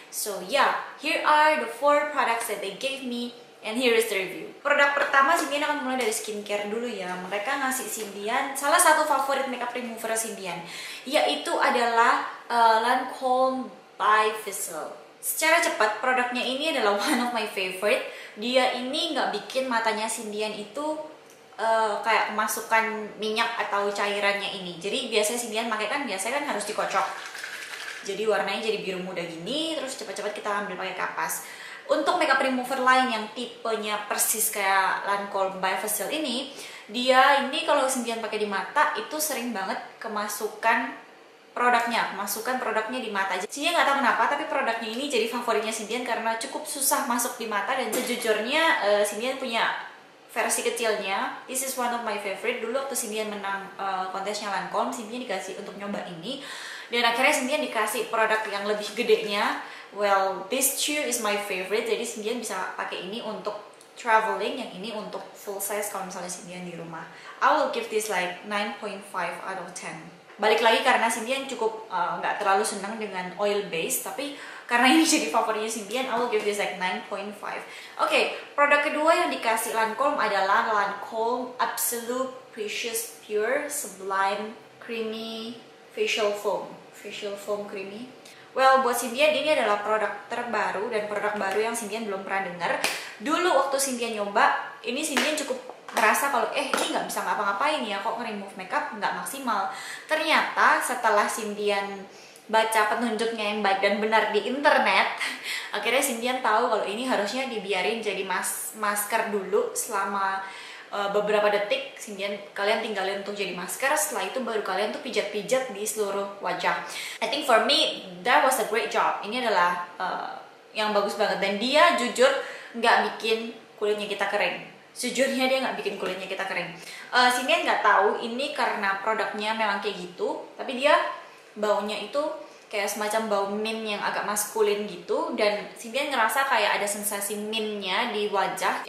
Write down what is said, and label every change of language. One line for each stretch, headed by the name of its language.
English: So, yeah, here are the four products that they gave me and here is the review.
Indonesian: Produk pertama Sintian akan mulai dari skincare dulu ya. Mereka ngasih Sintian salah satu favorit makeup remover Sintian, yaitu adalah Lancome by Fizzle. Secara cepat, produknya ini adalah
English: one of my favorite.
Indonesian: Dia ini nggak bikin matanya Sintian itu kayak kemasukan minyak atau cairannya ini. Jadi biasanya Sintian pakai kan, biasanya kan harus dikocok. Jadi warnanya jadi biru muda gini, terus cepat-cepat kita ambil pakai kapas. Untuk makeup remover lain yang tipenya persis kayak Lancome by Fizzle ini, dia ini kalau Sintian pakai di mata itu sering banget kemasukan produknya di mata. Sintian nggak tahu kenapa, tapi produknya ini jadi favoritnya Sintian karena cukup susah masuk di mata dan sejujurnya Sintian punya versi kecilnya.
English: This is one of my favorite.
Indonesian: Dulu waktu Sintian menang kontesnya Lancome, Sintian dikasih untuk nyoba ini dan akhirnya Sintian dikasih produk yang lebih gedenya.
English: Well, this shoe is my favorite.
Indonesian: Jadi Sintian bisa pakai ini untuk traveling, yang ini untuk full size kalau misalnya Sintian di rumah.
English: I will give this like 9.5 out of 10.
Indonesian: Balik lagi karena Sintian cukup nggak terlalu senang dengan oil base, tapi karena ini jadi favoritnya Sintian,
English: I will give this like 9.5.
Indonesian: Okay, produk kedua yang dikasih Lancome adalah Lancome Absolute Precious Pure Sublime Creamy Facial Foam. Facial Foam Creamy. Well, buat Sintian ini adalah produk terbaru dan produk baru yang Sintian belum pernah dengar. Dulu waktu Sintian nyoba, ini Sintian cukup merasa kalau ini nggak bisa ngapa-ngapain ya, kok nge-remove makeup nggak maksimal. Ternyata setelah Sintian baca petunjuknya yang baik dan benar di internet, akhirnya Sintian tahu kalau ini harusnya dibiarin jadi masker dulu selama beberapa detik. Kalian tinggalin untuk jadi masker, setelah itu baru kalian tuh pijat-pijat di seluruh wajah.
English: I think for me, that was a great job.
Indonesian: Ini adalah yang bagus banget. Dan dia jujur nggak bikin kulitnya kita kering. Sejujurnya dia nggak bikin kulitnya kita kering. Sintian nggak tahu ini karena produknya memang kayak gitu, tapi dia baunya itu kayak semacam bau mint yang agak maskulin gitu, dan Sintian ngerasa kayak ada sensasi mintnya di wajah.